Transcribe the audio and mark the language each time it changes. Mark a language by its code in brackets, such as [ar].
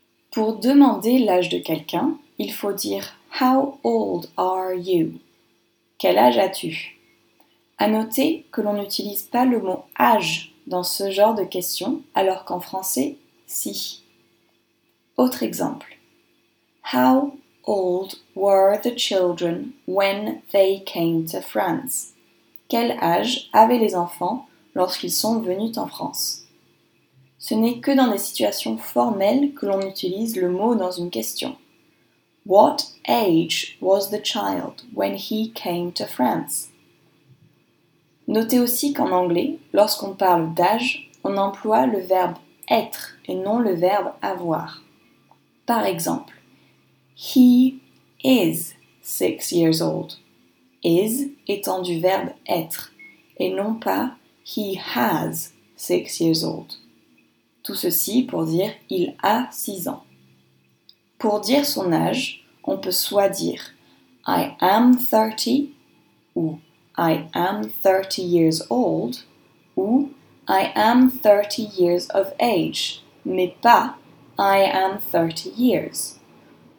[fr] Pour demander l'âge de quelqu'un, il faut dire « [en] How old are you ?»« [fr] Quel âge as-tu ?» À noter que l'on n'utilise pas le mot « âge » dans ce genre de question, alors qu'en français, si. Autre exemple. [en] « How old were the children when they came to France ?» [fr] Quel âge avaient les enfants lorsqu'ils sont venus en France ? Ce n'est que dans des situations formelles que l'on utilise le mot dans une question. [en] What age was the child when he came to France? [fr] Notez aussi qu'en anglais, lorsqu'on parle d'âge, on emploie le verbe être et non le verbe avoir. Par exemple, [en] he is 6 years old. [fr] Is étant du verbe être et non pas [en] he has 6 years old. [fr] Tout ceci pour dire « il a 6 ans ». Pour dire son âge, on peut soit dire [en] « I am 30 » ou « I am 30 years old » ou « I am 30 years of age » mais pas « I am 30 years ».